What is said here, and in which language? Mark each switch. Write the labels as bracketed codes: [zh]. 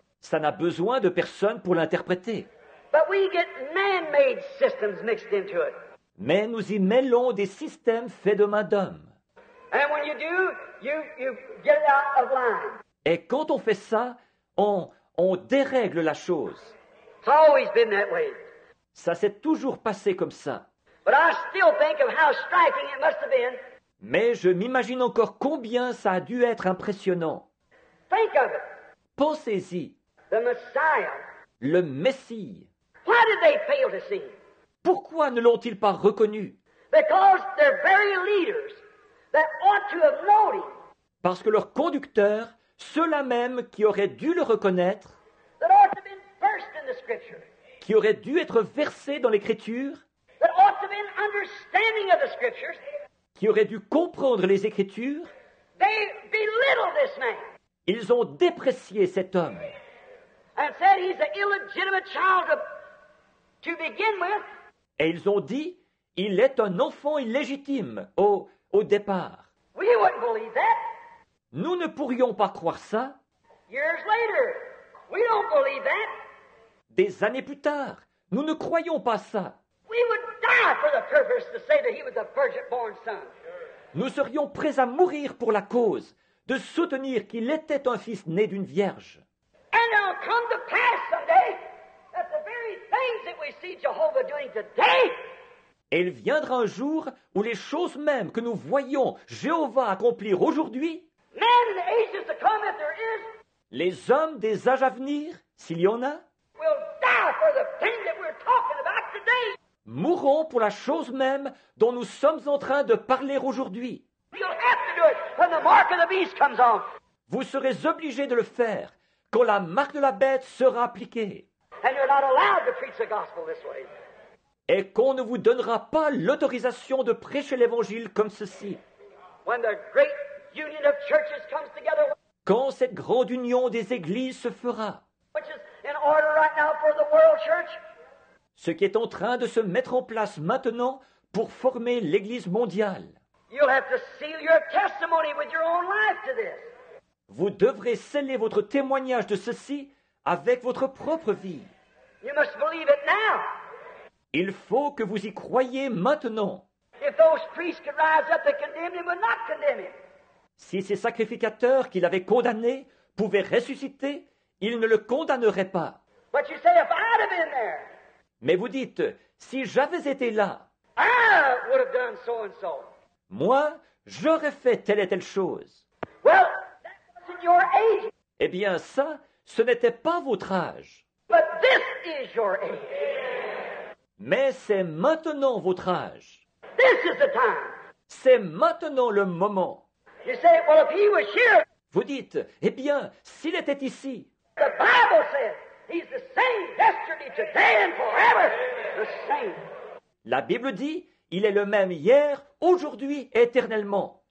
[fr] Ça n'a besoin de personne pour l'interpréter. [en] But we get man-made systems mixed into it. [fr] Mais nous y mêlons des systèmes faits de main d'homme. [en] And when you do, you get it out of line. [fr] Et quand on fait ça, on dérègle la chose. [en] It's always been that way. [fr] Ça s'est toujours passé comme ça. [en] But I still think of how striking it must have been. [fr] Mais je m'imagine encore combien ça a dû être impressionnant. [en] Think of it. [fr] Pensez-y. [en] The Messiah. [fr] Le Messie. [en] Why did they fail to see? [fr] Pourquoi ne l'ont-ils pas reconnu? [en] Because their very leaders that ought to have known him. [fr] Parce que leurs conducteurs, ceux-là même qui auraient dû le reconnaître, [en] that ought to have been first in the scripture. [fr] Qui auraient dû être versés dans l'Écriture, [en] that ought to have been understanding of the scriptures. [fr] Qui auraient dû comprendre les Écritures, [en] they belittle this man. [fr] Ils ont déprécié cet homme. [en] And said he's an illegitimate child to begin with. [fr] Et ils ont dit, il est un enfant illégitime au départ. [en] We wouldn't believe that. [fr] Nous ne pourrions pas croire ça. [en] Years later, we don't believe that. [fr] Des années plus tard, nous ne croyons pas ça. [en] We would die for the purpose to say that he was a virgin-born son. [fr] Nous serions prêts à mourir pour la cause de soutenir qu'il était un fils né d'une vierge. [en] And it'll come to pass someday that the very things that we see Jehovah doing today. [fr] Et il viendra un jour où les choses mêmes que nous voyons Jéhovah accomplir aujourd'hui. [en] Men in the ages to come, if there is. [fr] Les hommes des âges à venir, s'il y en a. [en] Will die for the thing that we're talking about today. [fr] Mourront pour la chose même dont nous sommes en train de parler aujourd'hui. [en] You'll have to do it when the mark of the beast comes on. [fr] Vous serez obligés de le faire. Quand la marque de la bête sera appliquée. [en] And you're not allowed to preach the gospel this way. [fr] Et qu'on ne vous donnera pas l'autorisation de prêcher l'évangile comme ceci. [en] When the great union of churches comes together, [fr] quand cette grande union des églises se fera. [en] Which is in order right now for the world church, [fr] ce qui est en train de se mettre en place maintenant pour former l'église mondiale. [en] You'll have to seal your testimony with your own life to this. [fr] Vous devrez sceller votre témoignage de ceci avec votre propre vie. [en] You must believe it now. [fr] Il faut que vous y croyiez maintenant. [en] If those priests could rise up and condemn him, would not condemn him. [fr] Si ces sacrificateurs qu'il avait condamnés pouvaient ressusciter, ils ne le condamneraient pas. [en] But you say, if I'd have been there, [fr] mais vous dites, si j'avais été là, [en] I would have done so and so. [fr] Moi, j'aurais fait telle et telle chose. [en] Well, your age. [fr] Eh bien, ça, ce n'était pas votre âge. [en] But this is your age. [fr] Mais c'est maintenant votre âge. [en] This is the time. [fr] C'est maintenant le moment. [en] You say, well, if he was here, [fr] vous dites, eh bien, s'il était ici, [en] the Bible says he's the same yesterday, today and forever. The same. [fr] La Bible dit, il est le même hier, aujourd'hui, éternellement.